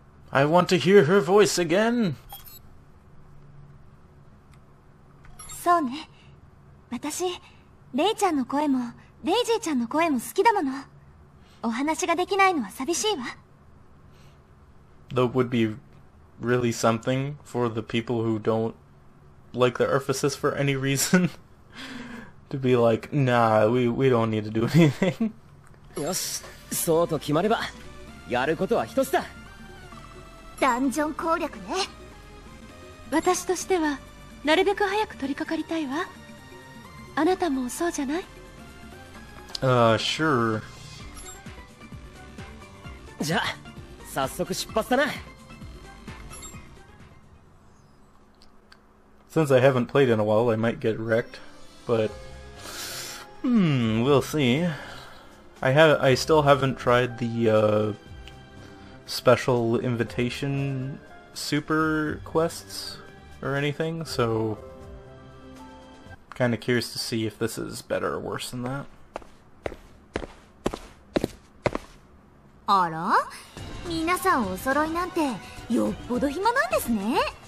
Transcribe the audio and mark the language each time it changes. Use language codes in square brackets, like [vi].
[en] I want to hear her voice again. [ja] そうね。私、レイちゃんの声もデイジーちゃんの声も好きだもの。お話ができないのは寂しいわ。 [en] That would be really something for the people who don't like the Urphasis for any reason. to be like, nah, we don't need to do anything. [ja] よし、そうと決まれば、やることは一つだ。ダンジョン攻略ね。私としてはなるべく早く取り掛かりたいわ。あなたもそうじゃない？ [en] Sure. [ja] じゃあ早速出発だな。 [en] Since I haven't played in a while, I might get wrecked, but we'll see. I still haven't tried the special invitation super quests or anything, so kind of curious to see if this is better or worse than that. [ja] あら、皆さんお揃いなんてよっぽど暇なんですね。